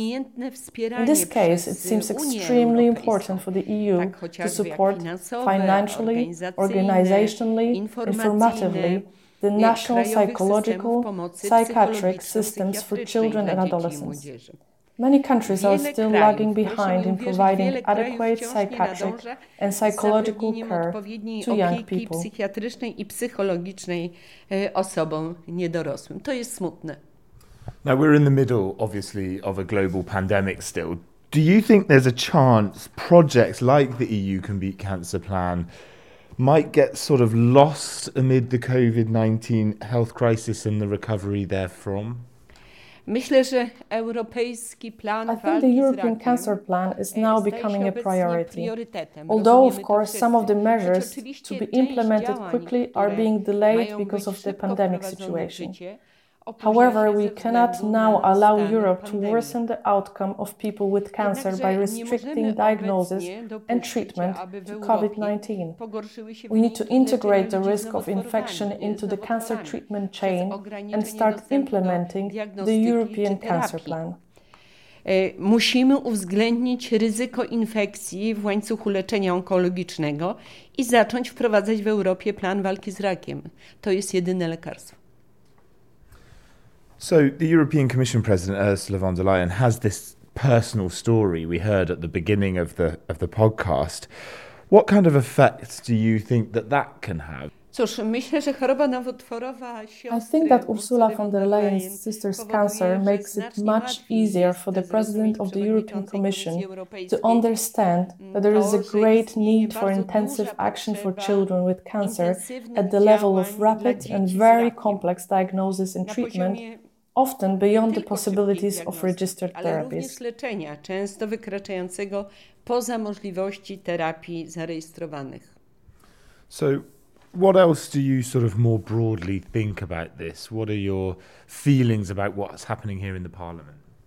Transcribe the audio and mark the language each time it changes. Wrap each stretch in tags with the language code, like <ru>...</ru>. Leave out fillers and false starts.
<en>In this case, it seems extremely important for the EU to support financially, organizationally, informatively, the national psychological, psychiatric systems for children and adolescents. Many countries are still lagging behind in providing adequate psychiatric and psychological care to young people.</en> <pl>Psychiatrycznej i psychologicznej osobom niedorosłym. To jest smutne.</pl> <en>Now we're in the middle, obviously, of a global pandemic still. Do you think there's a chance projects like the EU Can Beat Cancer Plan might get sort of lost amid the COVID-19 health crisis and the recovery therefrom? I think the European Cancer Plan is now becoming a priority. Although, of course, some of the measures to be implemented quickly are being delayed because of the pandemic situation. However, we cannot now allow Europe to worsen the outcome of people with cancer by restricting diagnosis and treatment to COVID-19. We need to integrate the risk of infection into the cancer treatment chain and start implementing the European Cancer Plan.</en> <pl>Musimy uwzględnić ryzyko infekcji w łańcuchu leczenia onkologicznego i zacząć wprowadzać w Europie plan walki z rakiem. To jest jedyne lekarstwo.</pl> <en>So the European Commission President Ursula von der Leyen has this personal story we heard at the beginning of the podcast. What kind of effects do you think that that can have? I think that Ursula von der Leyen's sister's cancer makes it much easier for the President of the European Commission to understand that there is a great need for intensive action for children with cancer at the level of rapid and very complex diagnosis and treatment often beyond the possibilities of registered therapies.</en> <pl>Ale również leczenia, często wykraczającego poza możliwości terapii zarejestrowanych.</pl> <en>So, what else do you sort of more broadly think about this? What are your feelings about what's happening here in the Parliament?</en>